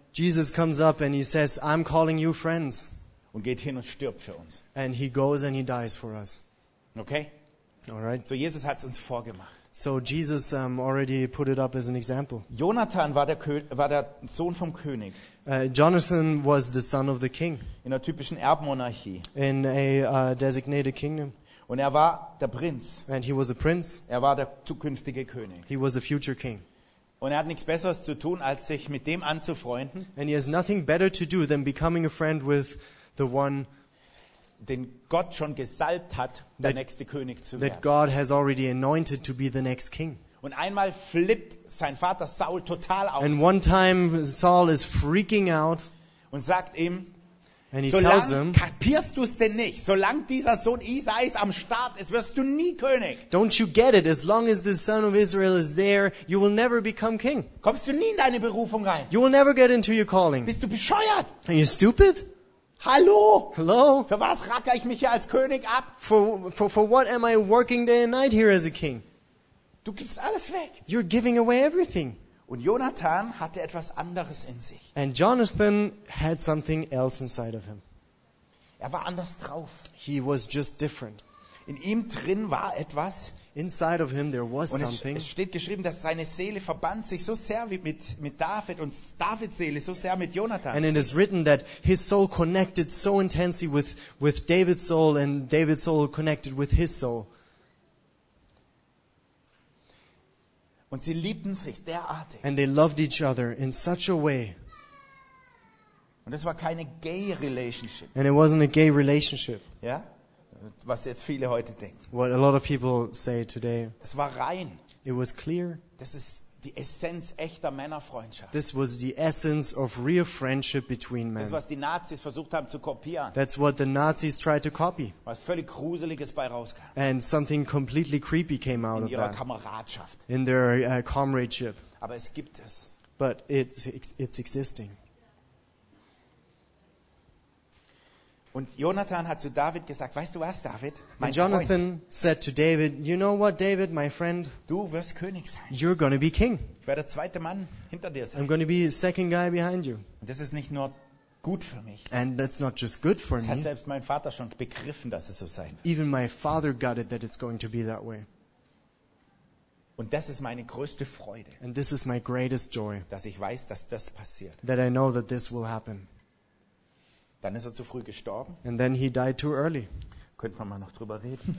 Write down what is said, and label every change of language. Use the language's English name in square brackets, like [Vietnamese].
[English] Jesus comes up and he says, I'm calling you friends. [German] Und geht hin und stirbt für uns. [English] And he goes and he dies for us. Okay? All right. [German] So Jesus hat es uns vorgemacht. [English] So Jesus already put it up as an example. [German] Jonathan war der Sohn vom König. [English] Jonathan was the son of the king. [German] In einer typischen Erbmonarchie. [English] In a designated kingdom. [German] Und er war der Prinz. [English] And he was a prince. [German] Er war der zukünftige König. [English] He was a future king. [German] Und er hat nichts Besseres zu tun, als sich mit dem anzufreunden. [English] And he has nothing better to do than becoming a friend with the one [German] den Gott schon gesalbt hat, der nächste König zu werden. [English] That God has already anointed to be the next king. [German] Und einmal flippt sein Vater Saul total aus. [English] And one time Saul is freaking out. [German] Und sagt ihm, [English] and he tells him, [German] kapierst du es denn nicht? Solange dieser Sohn Isais am Start ist, wirst du nie König. [English] Don't you get it? As long as the son of Israel is there, you will never become king. [German] Kommst du nie in deine Berufung rein? [English] You will never get into your calling. [German] Bist du bescheuert? [English] Are you stupid? [German] Hallo. [English] Hello. [German] Für was racke ich mich hier als König ab? [English] For what am I working day and night here as a king? [German] Du gibst alles weg. [English] You're giving away everything. [German] Und Jonathan hatte etwas anderes in sich. [English] And Jonathan had something else inside of him. [German] Er war anders drauf. [English] He was just different. [German] In ihm drin war etwas. [English] Inside of him there was something. [German] Es steht geschrieben, dass seine Seele verband sich so sehr mit David und Davids Seele so sehr mit Jonathan. [English] And it is written that his soul connected so intensely with David's soul and David's soul connected with his soul. [German] Und sie liebten sich derartig. [English] And they loved each other in such a way. [German] Und es war keine [English] gay relationship. And it wasn't a gay relationship. [German] Ja? [English] Yeah? [German] Was jetzt viele heute denken. [English] What a lot of people say today. [German] Das war rein. [English] It was clear. [German] Das ist die Essenz echter Männerfreundschaft. [English] This was the essence of real friendship between men. [German] Das was die Nazis versucht haben zu kopieren. [English] That's what the Nazis tried to copy. [German] Was völlig Gruseliges bei rauskam. [English] And something completely creepy came out of that. [German] In ihrer Kameradschaft. [English] In their comradeship. [German] Aber es gibt es. [English] But it's existing. [German] Und Jonathan hat zu David gesagt, weißt du was, David? Mein Jonathan Freund, [English] said to David, you know what, David, my friend? [German] Du wirst König sein. [English] You're going to be king. [German] Ich werde der zweite Mann hinter dir sein. [English] I'm going to be the second guy behind you. [German] Und das ist nicht nur gut für mich. [English] And that's not just good for [German] das [English] me. [German] Das hat selbst mein Vater schon begriffen, dass es so sein wird. [English] Even my father got it that it's going to be that way. [German] Und das ist meine größte Freude. [English] And this is my greatest joy. [German] Dass ich weiß, dass das passiert. [English] That I know that this will happen. [German] Dann ist er zu früh gestorben. [English] And then he died too early. [German] Könnten wir mal noch drüber reden.